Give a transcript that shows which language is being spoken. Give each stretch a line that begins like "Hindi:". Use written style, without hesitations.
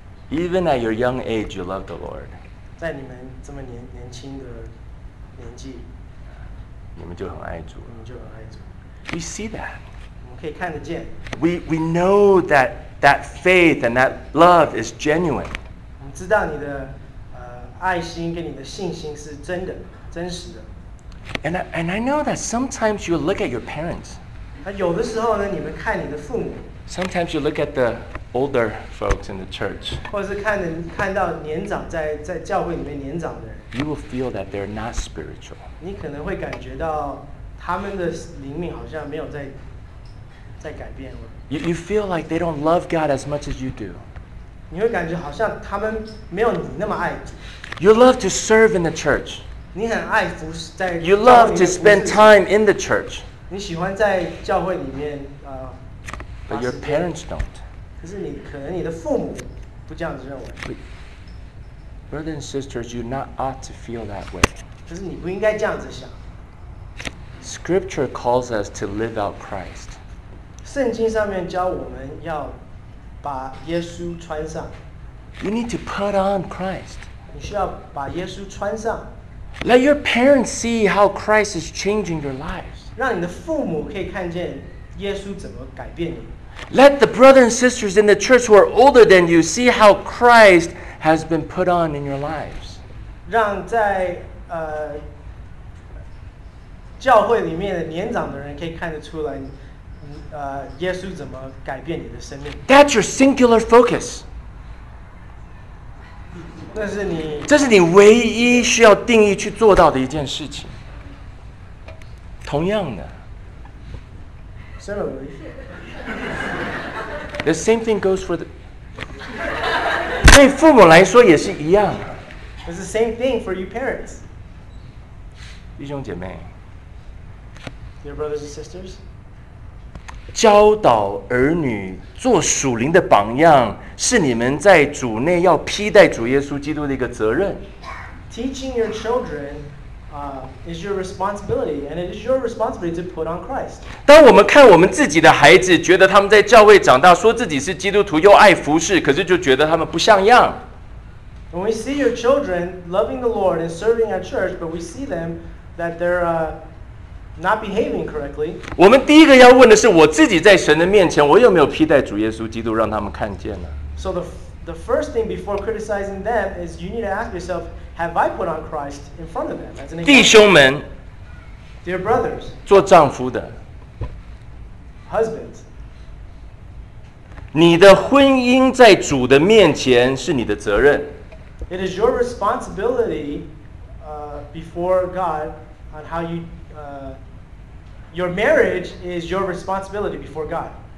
English: Even at your young age, you love the Lord.
Chinese: 在你们这么年轻的年纪，你们就很爱主。你们就很爱主。
English: We see that.
Chinese: 我们可以看得见。
English: We know that faith and that love is genuine.
Chinese: 我们知道你的爱心跟你的信心是真的，真实的。
English: And I know that sometimes you look at your parents.
Chinese: 有的时候呢，你们看你的父母。
English: Sometimes you look at the older folks in the church.
Chinese: 或是看到年长在教会里面年长的人。
English: You will feel that they're not spiritual.
Chinese: 你可能会感觉到他们的灵命好像没有在改变了。
English: You feel like they don't love God as much as you do.
Chinese: 你会感觉好像他们没有你那么爱。
English: You love to serve in the church.
Chinese: 你很爱服在教会里面。
English: You love to spend time in the church.
Chinese: 你喜欢在教会里面
English: But your parents don't.
Chinese: 可是你可能你的父母不这样子认为。
English: Brothers and sisters, you not ought to feel that way.
Chinese: 可是你不应该这样子想。
English: Scripture calls us to live out Christ.
Chinese: 圣经上面教我们要把耶稣穿上。
English: You need to put on Christ.
Chinese: 你需要把耶稣穿上。
English: Let your parents see how Christ is changing your lives.
Chinese: 让你的父母可以看见。耶稣怎么改变你?
English: Let the brothers and sisters in the church who are older than you see how Christ has been put on in your lives.
Chinese: 让在教会里面的年长的人可以看得出来，耶稣怎么改变你的生命。
English: That's your singular focus.
Chinese: 这是你唯一需要定义去做到的一件事情。同样的。
English: Similarly, the same thing goes for the.
Chinese: 对父母来说也是一样。
English: It's the same thing for you parents.
Chinese: 弟兄姐妹。
English: Dear brothers and sisters.
Chinese: 教导儿女做属灵的榜样，是你们在主内要披戴主耶稣基督的一个责任。
English: Teaching your children. Is your responsibility, and it is your responsibility to put on Christ.
Chinese: 当我们看我们自己的孩子，觉得他们在教会长大，说自己是基督徒又爱服侍，可是就觉得他们不像样。
English: When we see your children loving the Lord and serving at church, but we see them that they're not behaving correctly.
Chinese: 我们第一个要问的是，我自己在神的面前，我有没有披戴主耶稣基督，让他们看见呢
English: ？So the first thing before criticizing them is you need to ask yourself. Have I put on Christ in front of them?
Chinese: 弟兄们
English: ，Dear brothers，
Chinese: 做丈夫的
English: ，Husbands，
Chinese: 你的婚姻在主的面前是你的责任。
English: It is your responsibility, before God, on how you, your marriage is your responsibility before God.